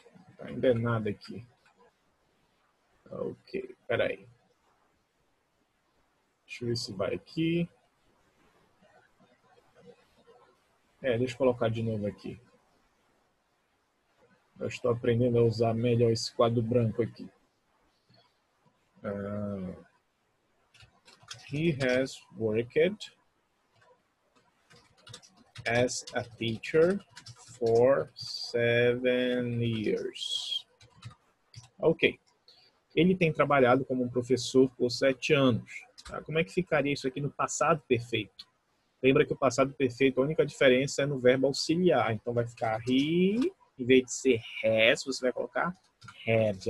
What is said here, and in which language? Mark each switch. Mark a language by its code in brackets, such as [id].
[pt] Está ainda nada aqui. Ok, peraí. Deixa eu ver se vai aqui. Deixa eu colocar de novo aqui. Eu estou aprendendo a usar melhor esse quadro branco aqui. [en] He has worked as a teacher for 7 years. Ok. [pt] Ele tem trabalhado como um professor por 7 anos. Tá, como é que ficaria isso aqui no passado perfeito? Lembra que o passado perfeito, a única diferença é no verbo auxiliar. Então vai ficar he, em vez de ser has, você vai colocar had.